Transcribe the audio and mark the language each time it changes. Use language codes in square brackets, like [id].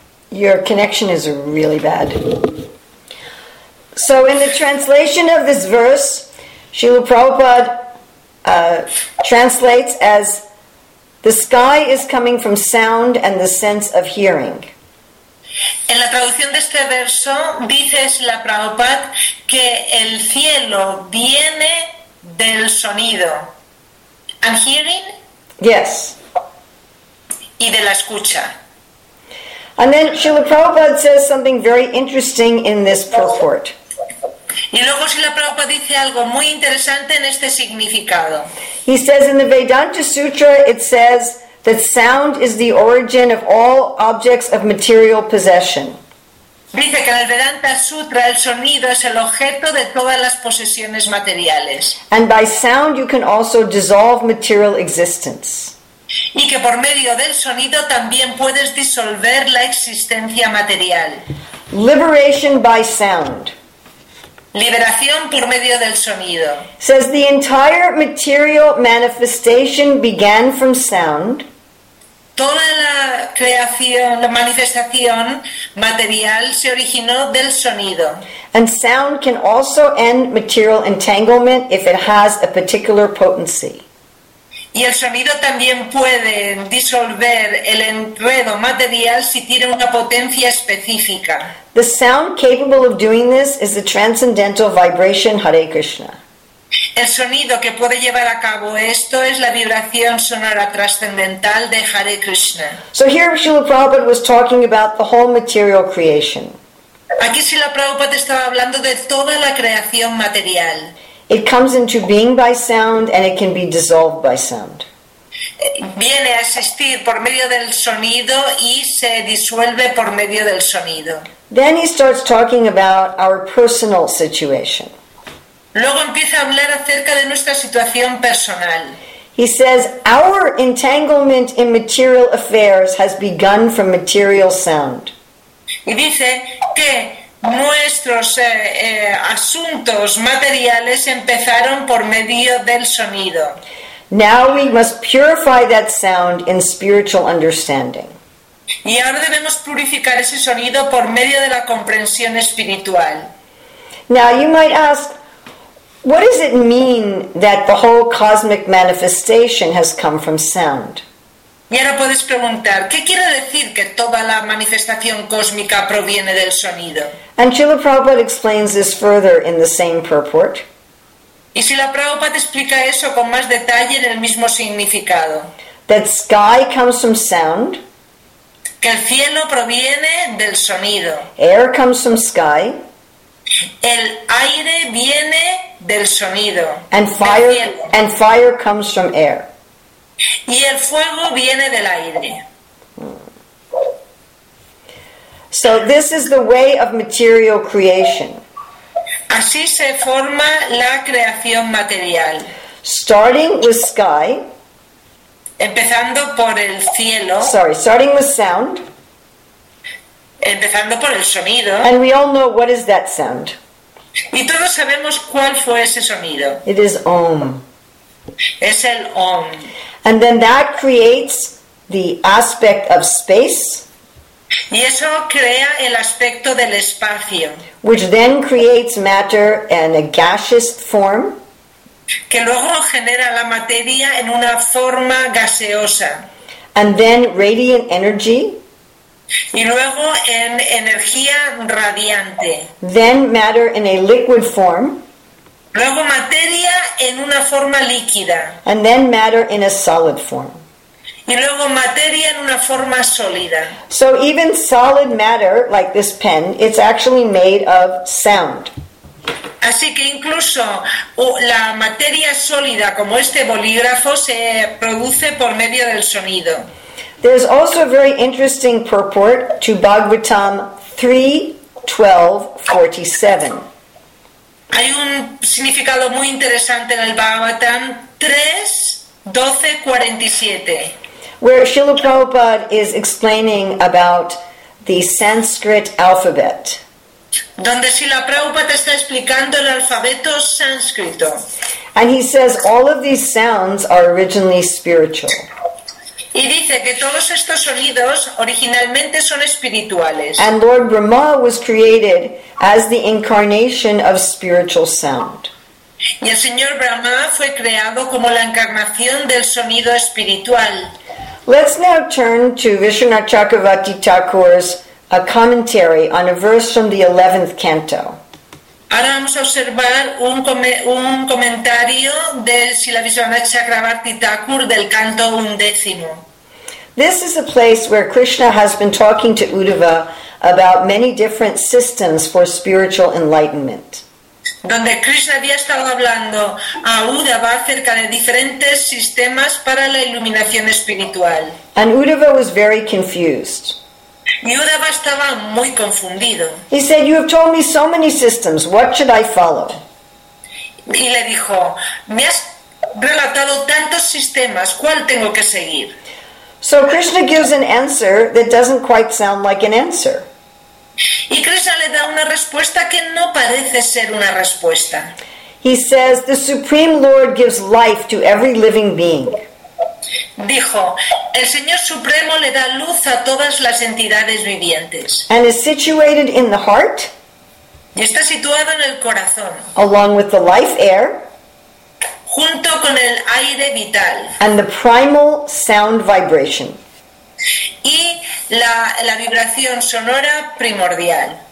[en] Your connection is really bad. So in the translation of this verse, Srila Prabhupada translates as, the sky is coming from sound and the sense of hearing. [es] En la traducción de este verso dice Srila Prabhupada que el cielo viene del sonido. [en] And hearing? Yes. [es] Y de la escucha. [en] And then Srila Prabhupada says something very interesting in this purport. [es] Y luego Srila Prabhupada dice algo muy interesante en este significado. [en] He says in the Vedanta Sutra it says that sound is the origin of all objects of material possession. [es] Dice que en el Vedanta Sutra el sonido es el objeto de todas las posesiones materiales. [en] And by sound you can also dissolve material existence. [es] Y que por medio del sonido también puedes disolver la existencia material. [en] Liberation by sound. [es] Liberación por medio del sonido. [en] Says the entire material manifestation began from sound. [es] Toda la creación, la manifestación material se originó del sonido. [en] And sound can also end material entanglement if it has a particular potency. [es] Y el sonido también puede disolver el enredo material si tiene una potencia específica. [en] The sound capable of doing this is the transcendental vibration Hare Krishna. [es] El sonido que puede llevar a cabo esto es la vibración sonora trascendental de Hare Krishna. [en] So here Srila Prabhupada was talking about the whole material creation. [es] Aquí Srila Prabhupada estaba hablando de toda la creación material. [en] It comes into being by sound and it can be dissolved by sound. [es] Viene a existir por medio del sonido y se disuelve por medio del sonido. [en] Then he starts talking about our personal situation. [es] Luego empieza a hablar acerca de nuestra situación personal. [en] He says, our entanglement in material affairs has begun from material sound. [es] Y dice que nuestros asuntos materiales empezaron por medio del sonido. [en] Now we must purify that sound in spiritual understanding. [es] Y ahora debemos purificar ese sonido por medio de la comprensión espiritual. [en] Now you might ask, what does it mean that the whole cosmic manifestation has come from sound? [es] Y ahora puedes preguntar, ¿qué quiere decir que toda la manifestación cósmica proviene del sonido? [en] And Srila Prabhupada explains this further in the same purport. [es] Y Srila Prabhupada explica eso con más detalle en el mismo significado. [en] That sky comes from sound. [es] Que el cielo proviene del sonido. [en] Air comes from sky. [es] El aire viene del sonido. [en] And fire comes from air. [es] Y el fuego viene del aire. [en] So this is the way of material creation. [es] Así se forma la creación material. [en] Starting with sky. [es] Empezando por el cielo. [en] Sorry, starting with sound. [es] empezando por el sonido. [en] And we all know what is that sound. [es] Y todos sabemos cuál fue ese sonido. [en] It is Om. [es] Es el Om. [en] And then that creates the aspect of space. [es] Y eso crea el aspecto del espacio. [en] Which then creates matter and a gaseous form. [es] Que luego genera la materia en una forma gaseosa. [en] And then radiant energy. [es] Y luego en energía radiante. [en] Then matter in a liquid form. [es] Luego materia en una forma líquida. [en] And then matter in a solid form. [es] Y luego materia en una forma sólida. [en] So even solid matter, like this pen, it's actually made of sound. [es] Así que incluso la materia sólida, como este bolígrafo, se produce por medio del sonido. [en] There's also a very interesting purport to Bhagavatam 3.12.47. [es] Hay un significado muy interesante en el Bhagavatam 3.12.47. [en] Where Srila Prabhupada is explaining about the Sanskrit alphabet. [es] Donde Srila Prabhupada está explicando el alfabeto sánscrito. [en] And he says all of these sounds are originally spiritual. [es] Y dice que todos estos sonidos originalmente son espirituales. [en] And Lord Brahma was created as the incarnation of spiritual sound. [es] Y el señor Brahma fue creado como la encarnación del sonido espiritual. [en] Let's now turn to Vishwanatha Chakravarti Thakur's a commentary on a verse from the 11th canto. [es] Ahora vamos a observar un comentario de Srila Vishwanatha Chakravarti Thakur del canto undécimo. [en] This is a place where Krishna has been talking to Uddhava about many different systems for spiritual enlightenment. [es] Donde Krishna había estado hablando a Uddhava acerca de diferentes sistemas para la iluminación espiritual. [en] And Uddhava was very confused. [es] Y Uddhava estaba muy confundido. [en] He said, "You have told me so many systems. What should I follow?" [es] Y le dijo, "Me has relatado tantos sistemas. ¿Cuál tengo que seguir?" [en] So Krishna gives an answer that doesn't quite sound like an answer. [es] Y Krishna le da una respuesta que no parece ser una respuesta. [en] He says, "The Supreme Lord gives life to every living being." [es] Dijo, el Señor Supremo le da luz a todas las entidades vivientes. [en] And is situated in the heart. [es] Y está situado en el corazón. [en] Along with the life air. [es] Junto con el aire vital. [en] And the primal sound vibration. [es] Y la vibración sonora primordial.